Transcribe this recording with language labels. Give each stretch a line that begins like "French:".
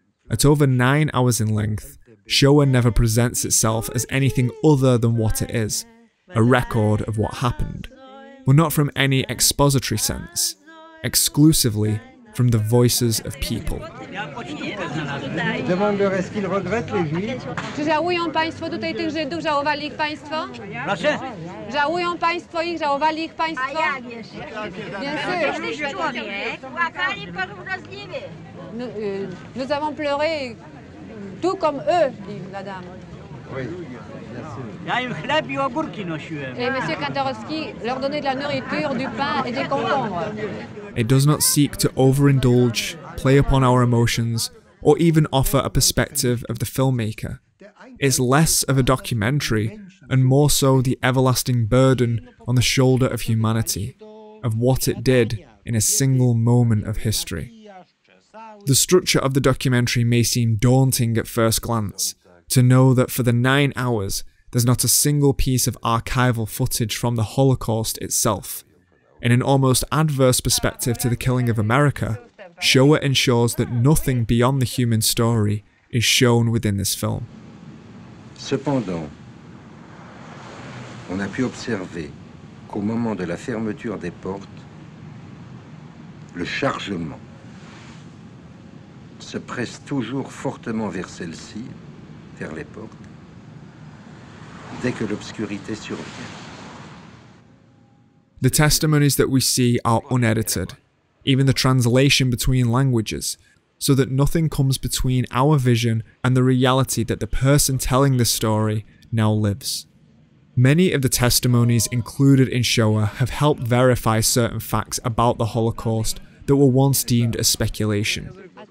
English: At over 9 hours in length, Shoah never presents itself as anything other than what it is, a record of what happened, but not from any expository sense, exclusively from the voices of people.
French: Demande est-ce qu'ils regrettent les Juifs?
Polish: Czy żałują państwo tutaj tych Żydów, żałowali ich państwo? Proszę? Żałują państwo ich, żałowali ich państwo? A jak jeszcze? Więc jesteś człowiek, płakali porówno z nimi.
French: Nous avons pleuré tout comme eux, dit la dame. Oui, bien sûr.
Polish: Ja im chleb i ogórki nosiłem.
French: Et monsieur Kantorowski leur donnait de la nourriture, du pain et des concombres.
English: It does not seek to overindulge, play upon our emotions, or even offer a perspective of the filmmaker. It's less of a documentary and more so the everlasting burden on the shoulder of humanity, of what it did in a single moment of history. The structure of the documentary may seem daunting at first glance, to know that for the 9 hours, there's not a single piece of archival footage from the Holocaust itself. In an almost adverse perspective to the killing of America, Shoah ensures that nothing beyond the human story is shown within this film.
French: Cependant, on a pu observer qu'au moment de la fermeture des portes, le chargement se presse toujours fortement vers celle-ci, vers les portes, dès que l'obscurité survient.
English: The testimonies that we see are unedited, even the translation between languages, so that nothing comes between our vision and the reality that the person telling the story now lives. Many of the testimonies included in Shoah have helped verify certain facts about the Holocaust that were once deemed a speculation.